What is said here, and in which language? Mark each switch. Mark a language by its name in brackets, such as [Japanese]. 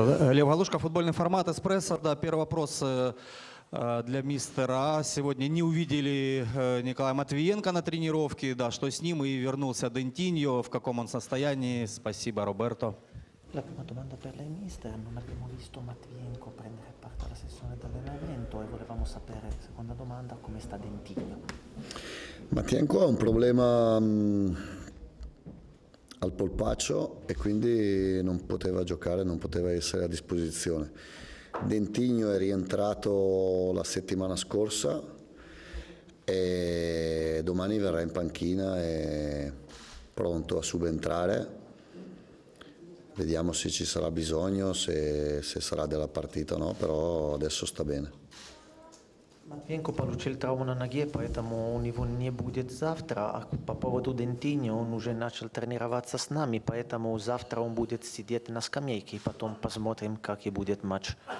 [Russian] Лев Галушко, футбольный формат «Эспрессо». Да, первый вопрос для мистера. Сегодня не увидели Николая Матвиенко на тренировке. Да, что с ним? И вернулся Дентиньо. В каком он состоянии? Спасибо, Роберто. [Italian] La prima domanda per lei, mister. Non abbiamo visto Matvienko prendere parte alla sessione d'allenamento e volevamo sapere, seconda domanda, come sta Dentiño. Matvienko ha un problema al polpaccio e quindi non poteva giocare, non poteva essere a disposizione. Dentiño è rientrato la settimana scorsa e domani verrà in panchina e pronto a subentrare. Vediamo se ci sarà bisogno, se sarà della partita o no, però adesso sta bene. [Russian] Матвиенко получил травму на ноге, поэтому у него не будет завтра. А по поводу Дентиньо, он уже начал тренироваться с нами, поэтому завтра он будет сидеть на скамейке, и потом посмотрим, как и будет матч.